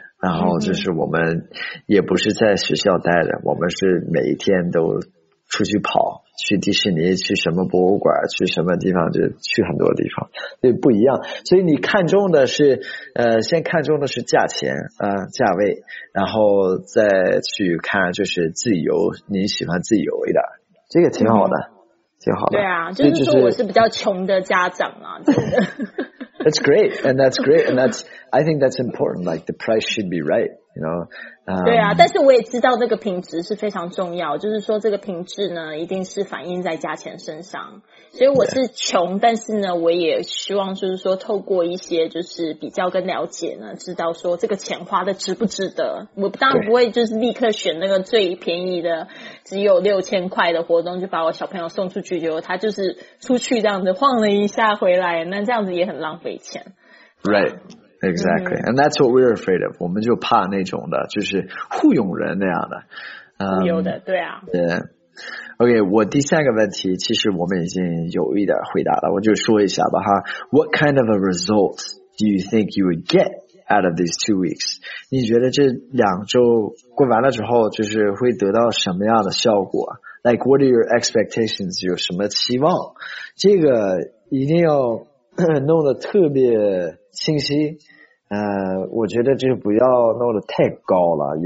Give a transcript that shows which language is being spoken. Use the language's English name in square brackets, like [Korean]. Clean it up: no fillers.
[Chinese] 然后就是我们也不是在学校待的，我们是每一天都出去跑，去迪士尼，去什么博物馆，去什么地方，就去很多地方，所以不一样。所以你看中的是先看中的是价钱啊，价位，然后再去看就是自由，你喜欢自由一点，这个挺好的，挺好的。对啊，就是说我是比较穷的家长啊，真的。 [English] That's great, and that's great, and that's, I think that's important, like the price should be right, you know. [Chinese] 对啊，但是我也知道这个品质是非常重要，就是说这个品质呢一定是反映在价钱身上。所以我是穷，但是呢我也希望就是说透过一些就是比较跟了解呢，知道说这个钱花的值不值得。我当然不会就是立刻选那个最便宜的只有6000块的活动就把我小朋友送出去，结果他就是出去这样子晃了一下回来，那这样子也很浪费钱。 [English] Right. Exactly, and that's what we're afraid of. [Chinese] 我们就怕那种的，就是互用人那样的。有的，对啊。对。 OK, 我第三个问题，其实我们已经有一点回答了，我就说一下吧哈。 [English] What kind of a result do you think you would get out of these 2 weeks? [Chinese] 你觉得这两周过完了之后，就是会得到什么样的效果？ [English] Like, what are your expectations? [Chinese] 有什么期望？这个一定要弄得特别清晰，我觉得就不要弄得太高了。